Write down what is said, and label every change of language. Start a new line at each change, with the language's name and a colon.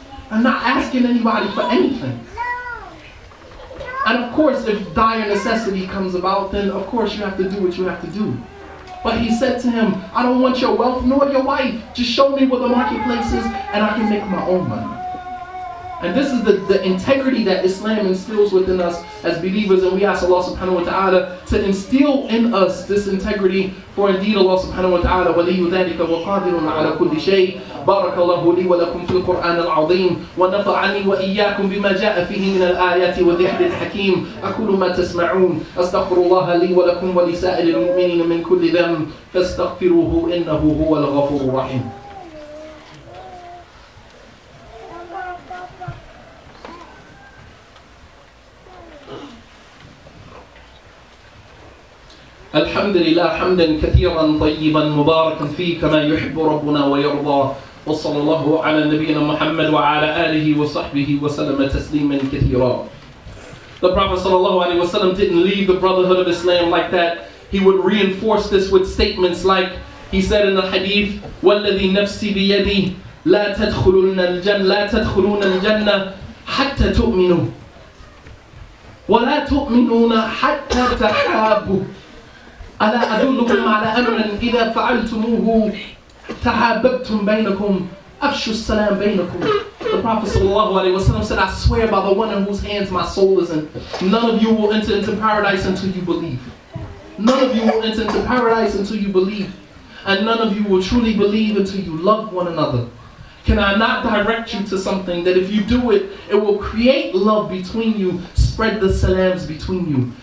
English: I'm not asking anybody for anything. And of course, if dire necessity comes about, then of course you have to do what you have to do. But he said to him, I don't want your wealth nor your wife. Just show me where the marketplace is and I can make my own money. And this is the integrity that Islam instills within us as believers. And we ask Allah subhanahu wa ta'ala to instill in us this integrity. For indeed Allah subhanahu wa ta'ala,
Arabic: وَلِيُّ ذَلِكَ وَقَادِرٌ عَلَى كُلِّ شَيْءٍ بارك الله لي ولكم في القرآن العظيم ونفعني وإياكم بما جاء فيه من الآيات والذكر الحكيم أكل ما تسمعون أستغفر الله لي ولكم ولسائر المؤمنين من كل ذنب فاستغفروه إنه هو الغفور الرحيم. الحمد لله حمدا كثيرا طيبا مباركا فيه كما يحب ربنا ويرضى وصلى الله على نبينا محمد وعلى آله وصحبه وسلم تسليما كثيرا.
English: The Prophet
Arabic: صلى الله عليه وسلم
English: didn't leave the brotherhood of Islam like that. He would reinforce this with statements like he said in the hadith,
Arabic: والذي نفسي بيدي لا تدخلون الجنة حتى تؤمنوا ولا تؤمنون حتى تحابوا ألا أدلكم على أمر إذا فعلتموه تحاببتم بينكم أفشوا السلام بينكم.
English: The Prophet sallallahu alaihi wasallam said, I swear by the one in whose hands my soul is in, none of you will enter into paradise until you believe. None of you will enter into paradise until you believe. And none of you will truly believe until you love one another. Can I not direct you to something that if you do it, it will create love between you, spread the salams between you.